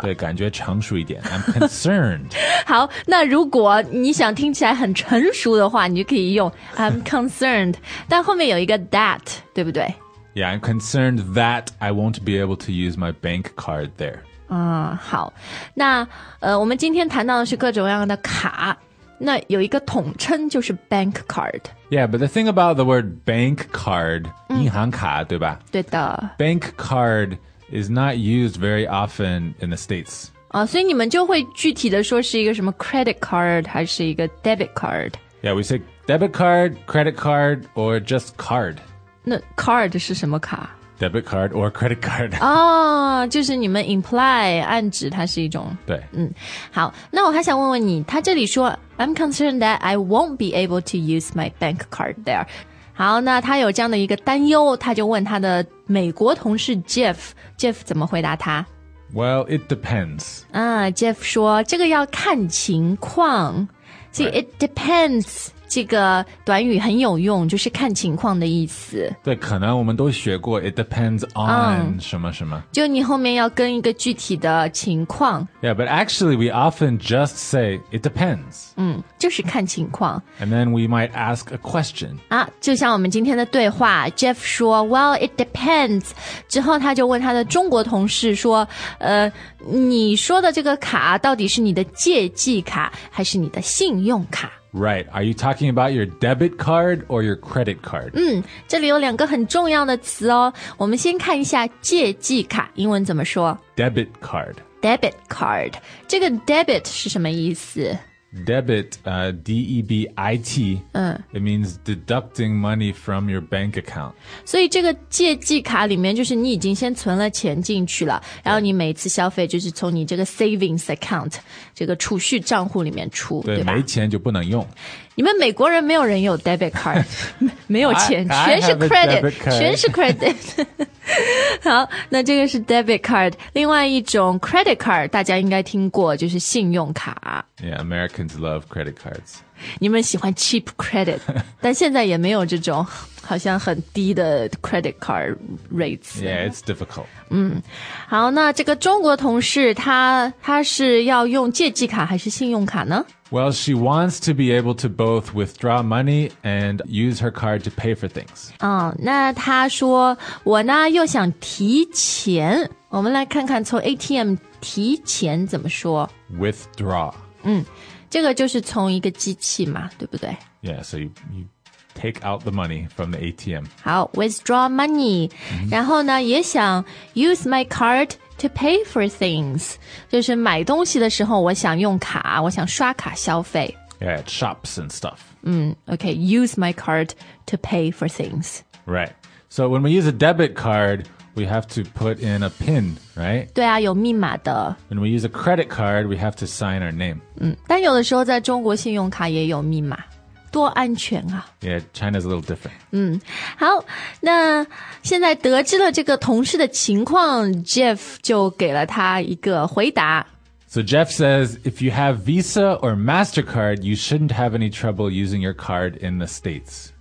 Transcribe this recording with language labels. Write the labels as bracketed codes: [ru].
[zh] 对，感觉成熟一点 I'm concerned. 好，那如果你想听起来很成熟的话，你就可以用 I'm concerned. 但后面有一个 that, 对不对？ [en] Yeah, I'm concerned that I won't be able to use my bank card there. [zh] 好，那我们今天谈到的是各种各样的卡，那有一个统称就是 bank card. [en] Yeah, but the thing about the word bank card, 银行卡，对吧？ [zh] 对的。 [en] Bank card is not used very often in the States. [zh] 所以你们就会具体的说是一个什么 credit card 还是一个 debit card? [en] Yeah, we say debit card, credit card, or just card. [zh] 那 card 是什么卡？ [en] Debit card or credit card. [zh] 就是你们 imply, 暗指它是一种。对。好，那我还想问问你，他这里说 I'm concerned that I won't be able to use my bank card there. 好，那他有这样的一个担忧，他就问他的美国同事 Jeff, Jeff 怎么回答他？ [en] Well, it depends. [zh] Jeff 说这个要看情况。 [en] See, right. It depends. [zh] 这个短语很有用，就是看情况的意思。对，可能我们都学过 It depends on 什么什么，就你后面要跟一个具体的情况。 [en] Yeah, but actually we often just say It depends. [zh] 就是看情况。 [en] And then we might ask a question. [zh] 就像我们今天的对话， Jeff 说 Well, it depends. 之后他就问他的中国同事说你说的这个卡到底是你的借记卡还是你的信用卡？ [en] Right, are you talking about your debit card or your credit card? [zh] 这里有两个很重要的词哦。我们先看一下借记卡，英文怎么说？ [en] Debit card. [zh] Debit card. 这个 debit 是什么意思？ [en] debit, D-E-B-I-T, it means deducting money from your bank account. [zh] 所以这个借记卡里面就是你已经先存了钱进去了，然后你每次消费就是从你这个 savings account, 这个储蓄账户里面出，对吧？没钱就不能用。你们美国人没有人有 debit card, 没有钱全是 credit 好，那这个是 debit card, 另外一种 credit card 大家应该听过，就是信用卡。 [en] Yeah, Americans love credit cards. [zh] 你们喜欢 cheap credit, 但现在也没有这种好像很低的 credit card rates. [en] Yeah, it's difficult. [zh] 好，那这个中国同事他是要用借记卡还是信用卡呢？ [en] Well, she wants to be able to both withdraw money and use her card to pay for things. [zh] 那她说我呢又想提钱。我们来看看从 ATM 提钱怎么说。 [en] Withdraw. [zh] 这个就是从一个机器嘛，对不对？ [en] Yeah, so you take out the money from the ATM. 好 withdraw money.、然后呢也想 use my card to pay for things. [zh] 就是买东西的时候我想用卡，我想刷卡消费。 [en] Yeah, at shops and stuff. Okay, use my card to pay for things. Right. So when we use a debit card, we have to put in a pin, right? [zh] 对啊，有密码的。 [en] When we use a credit card, we have to sign our name. [zh] 但有的时候在中国信用卡也有密码。多安全啊。 [en] Yeah, China's a little different. [zh] 好，那现在得知了这个同事的情况， Jeff 就给了他一个回答。 [en] So Jeff says, if you have Visa or MasterCard, you shouldn't have any trouble using your card in the States.